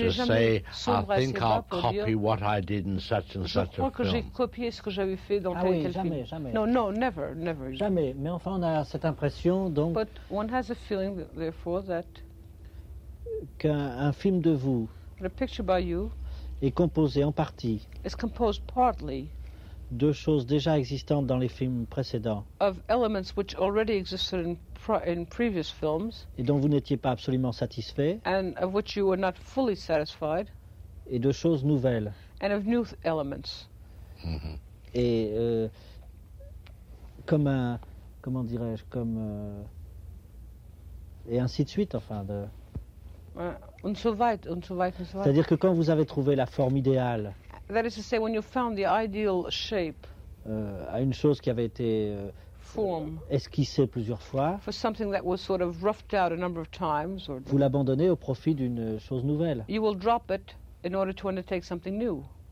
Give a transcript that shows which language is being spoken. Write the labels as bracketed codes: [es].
[en] to say, I think I'll copy what I did in such and such a film. [fr] Je crois que j'ai copié ce que j'avais fait dans tel film. Ah oui, jamais, jamais. [en] No, no, never, never. [fr] Jamais. Mais enfin, on a cette impression, donc. [en] But one has a feeling, therefore, that [fr] qu'un film de vous est composé en partie. [en] Is composed partly. [fr] De choses déjà existantes dans les films précédents. [en] Of elements which already existed in previous films. [fr] Et dont vous n'étiez pas absolument satisfait. [en] And of which you were not fully satisfied. [fr] Et de choses nouvelles. [en] And of new elements. [fr] Et comme un, comment dirais-je, comme et ainsi de suite, enfin de. C'est-à-dire que quand vous avez trouvé la forme idéale. [en] That is to say, when you found the ideal shape [fr] à une chose qui avait été [en] form [fr] esquissée plusieurs fois, [en] for something that was sort of roughed out a number of times, or [fr] vous l'abandonnez au profit d'une chose nouvelle. [en] You will drop it in order to undertake something new.